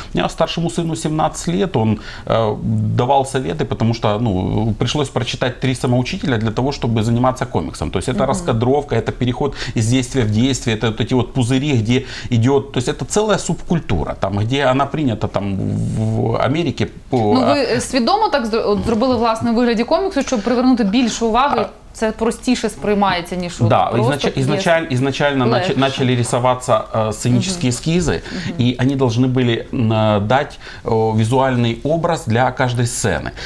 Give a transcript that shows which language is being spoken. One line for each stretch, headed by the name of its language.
Russian: У меня старшому сыну 17 лет, он давал советы, потому что, ну, пришлось прочитать три самоучителя для того, чтобы заниматься комиксом. То есть это раскадровка, это переход из действия в действие, это вот эти вот пузыри, где идет... То есть это целая субкультура, там, где она принята там в Америке.
Ukrainian: Ну, вы свідомо так зробили власне в вигляді коміксу, щоб привернути більше уваги? Це простіше сприймається, ніж,
Russian: да,
Ukrainian: просто
Russian: Изначально начали рисоваться сценические эскизы, и они должны были дать визуальный образ для каждой сцены.